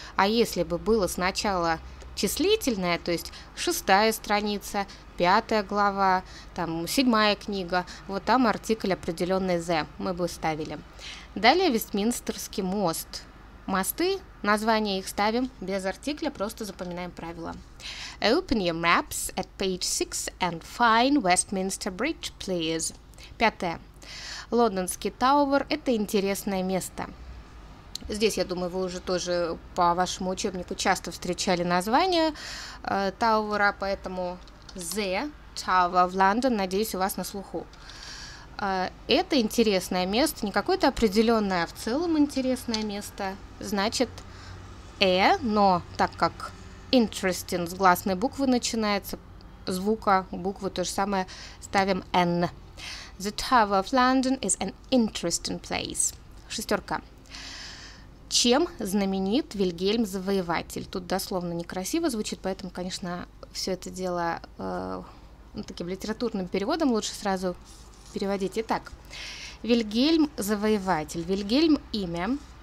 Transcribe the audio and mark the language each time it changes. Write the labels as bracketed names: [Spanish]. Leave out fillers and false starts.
[Russian] А если бы было сначала числительное, то есть 6 страница, 5 глава, там 7 книга, вот там артикль определенный the мы бы ставили. Далее Вестминстерский мост. Мосты, название их ставим без артикля, просто запоминаем правила. [English] Open your maps at page 6 and find Westminster Bridge, please. [Russian] Пятое. Лондонский Тауэр – это интересное место. Здесь, я думаю, вы уже тоже по вашему учебнику часто встречали название Тауэра, поэтому The Tower of London, надеюсь, у вас на слуху. Это интересное место, не какое-то определенное, а в целом интересное место. Значит, «э», но так как «interesting» с гласной буквы начинается, звука, буквы, то же самое, ставим «n». [English] The Tower of London is an interesting place. [Russian] Шестерка. Чем знаменит Вильгельм Завоеватель? Тут дословно некрасиво звучит, поэтому, конечно, все это дело таким литературным переводом лучше сразу переводить. Итак, Вильгельм Завоеватель. Вильгельм – имя.